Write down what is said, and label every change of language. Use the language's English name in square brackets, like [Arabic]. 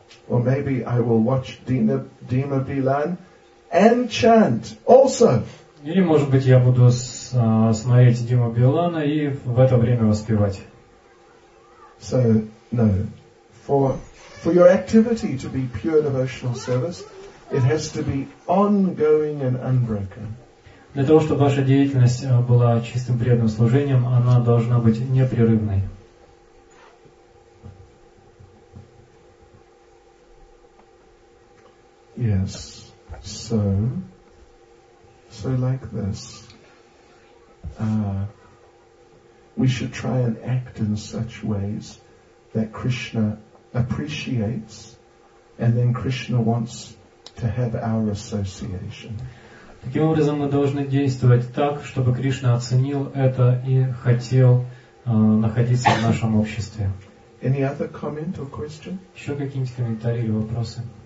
[English] Or maybe I will watch Dima Bilan and chant also. [Russian] Или, может быть, я буду смотреть Диму Билана и в это время воспевать. [English] So, no. For your activity to be pure devotional service, it has to be ongoing and unbroken. [Russian] Для того, чтобы ваша деятельность была чистым преданным служением, она должна быть непрерывной. [English] Yes. So like this. We should try and act in such ways that Krishna appreciates, and then Krishna wants to have our association. [Russian] Таким образом, мы должны действовать так, чтобы Кришна оценил это и хотел находиться в нашем обществе. [English] Any other comment or question? [Russian] Еще какие-нибудь комментарии или вопросы?